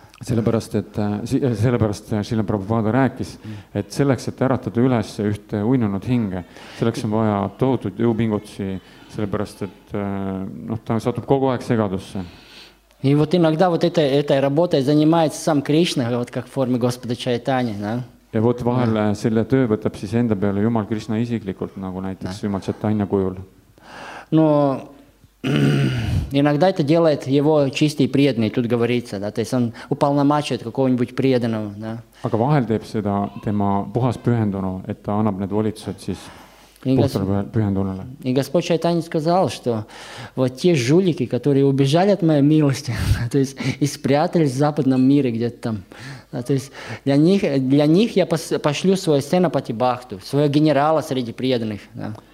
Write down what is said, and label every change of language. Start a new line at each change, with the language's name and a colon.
Estonian: Sellepärast Srila Prabhupada rääkis, et selleks, et äratada üles ühte uinunud hinge, selleks on vaja tohutud jõupingutsi, sellepärast, et ta satub kogu aeg segadusse.
Russian: И вот иногда вот этой работой занимается сам Кришна, вот как в форме Господа Чайтани.
Estonian: Ja вот vahel selle töö võtab siis enda peale Jumal Krishna isiklikult, nagu näiteks Jumal Chaitanya kujul. No
Russian: Иногда это делает его чистый преданный, тут говорится, да, то есть он уполномачивает какого-нибудь преданного, да.
Estonian: Aga vahel teeb seda tema puhas pühendunu, et ta annab need volitused siis puhtale pühendunule.
Russian: И Господь Чайтанья сказал, что вот те жулики, которые убежали от моей милости, то есть и спрятались в западном мире где-то там, то есть для них я пошлю свою сцену Патибахту, своего генерала среди преданных, да.